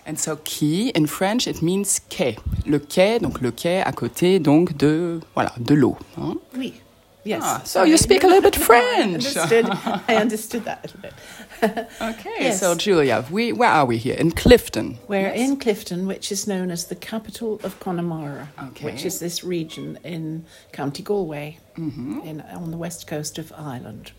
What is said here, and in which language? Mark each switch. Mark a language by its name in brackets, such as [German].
[English] And so Quay in French, it means quay. [French] Le quai, donc le quai à côté donc de, voilà, de l'eau. Oui, yes. [English] Ah, so you speak a little bit French. I understood that a little bit. Okay, yes. So Julia, where are we here? In Clifton. In Clifton, which is known as the capital of Connemara, okay. Which is this region in County Galway, on the west coast of Ireland.